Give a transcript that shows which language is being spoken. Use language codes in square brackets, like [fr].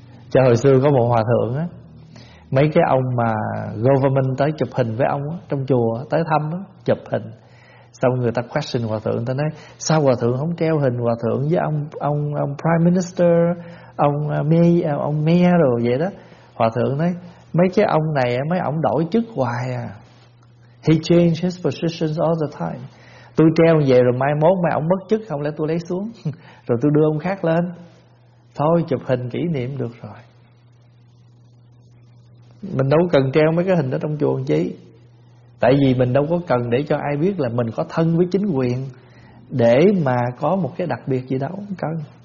[vi] Cho hồi xưa có một hòa thượng á, mấy cái ông mà government tới chụp hình với ông á, trong chùa tới thăm á, chụp hình. Xong người ta question hòa thượng, ta nói sao hòa thượng không treo hình hòa thượng với ông Prime Minister, ông Mayor rồi vậy đó. Hòa thượng nói mấy cái ông này mấy ông đổi chức hoài à. [en] He changed his positions all the time. [vi] Tôi treo về rồi mai mốt mấy ông mất chức không lẽ tôi lấy xuống rồi tôi đưa ông khác lên. Thôi chụp hình kỷ niệm được rồi. Mình đâu cần treo mấy cái hình đó trong chùa làm chi. Tại vì mình đâu có cần để cho ai biết là mình có thân với chính quyền để mà có một cái đặc biệt gì đâu, không cần.